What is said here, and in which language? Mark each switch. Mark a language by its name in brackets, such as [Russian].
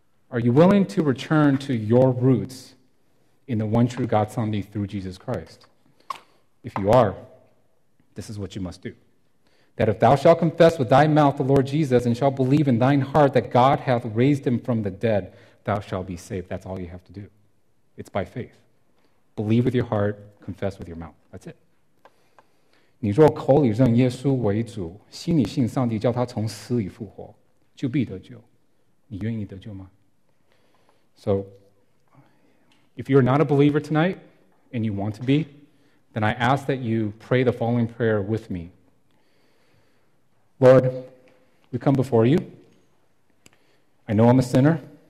[English] Are you willing to return to your roots in the one true God, Shangdi, through Jesus Christ? If you are, this is what you must do. that if thou shalt confess with thy mouth the Lord Jesus and shalt believe in thine heart that God hath raised him from the dead, thou shalt be saved. That's all you have to do. It's by faith. Believe with your heart, confess with your mouth. That's it. [Chinese] 你若口里认耶稣为主，心里信上帝叫他从死里复活，就必得救。你愿意得救吗？ [English] So, if you're not a believer tonight, and you want to be, then I ask that you pray the following prayer with me. Lord, we come before you. I know I'm a sinner.